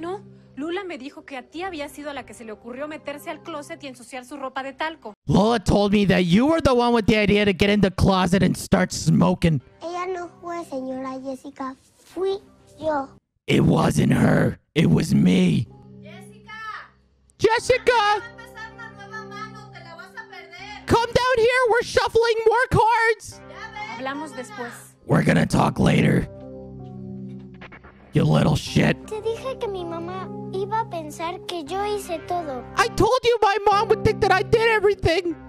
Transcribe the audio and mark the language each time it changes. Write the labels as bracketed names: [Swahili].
[Spanish] No, Lula me dijo que a ti había sido la que se le ocurrió meterse al closet y ensuciar su ropa de talco. [English] Lola told me that you were the one with the idea to get in the closet and start smoking. [Spanish] Ella no fue, señora Jessica. Fui yo. [English] It wasn't her. It was me. Jessica! Come down here! We're shuffling more cards! [Spanish] Hablamos después. [English] We're gonna talk later. You little shit. [Spanish] Te dije que mi mamá iba a pensar que yo hice todo. [English] I told you my mom would think that I did everything.